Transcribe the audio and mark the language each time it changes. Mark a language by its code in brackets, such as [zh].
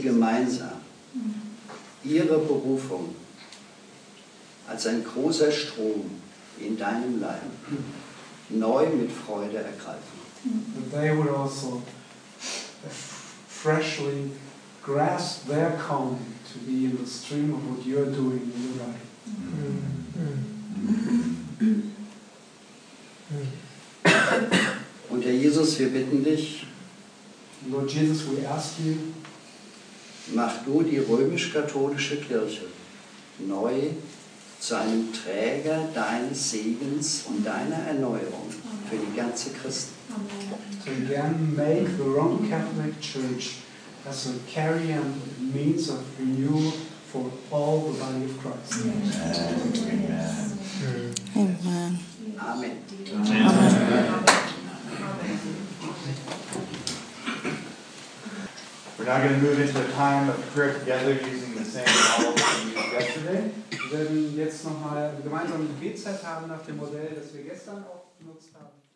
[de] gemeinsam ihre Berufung als ein großer Strom in deinem Leib neu mit Freude ergreifen. [en] That they would also freshly grasp their calling to be in the stream of what you are doing in your life. Mm-hmm. [de] Und Herr Jesus, wir bitten dich, [en] Lord Jesus, we ask you, [de] mach du die römisch-katholische Kirche neu zu einem Träger deines Segens und deiner Erneuerung für die ganze Christen. [en] So again, make the Roman Catholic Church as a carrier and means of renewal for all the body of Christ. Amen. Amen. Amen. Amen. Amen. Amen. We're now going to move into a time of prayer together using the same model that we used yesterday. [de] Wir werden jetzt nochmal gemeinsam eine Gebetszeit haben nach dem Modell, das wir gestern auch benutzt haben.